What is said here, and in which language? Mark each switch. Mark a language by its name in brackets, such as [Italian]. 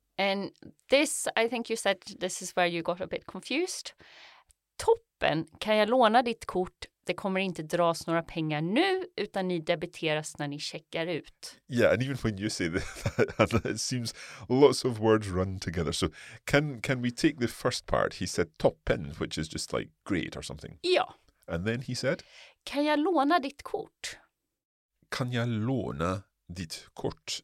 [English] And this, I think you said, this is where you got a bit confused. [Swedish] Toppen, kan jag låna ditt kort? Det kommer inte dras några pengar nu, utan ni debiteras när ni checkar ut. [English] Yeah, and even when you say that, it seems lots of words run together. So can we take the first part? He said toppen, which is just like great or something. [Swedish] Ja. [English] And then he said? [Swedish] Kan jag låna ditt kort? Kan jag låna ditt kort?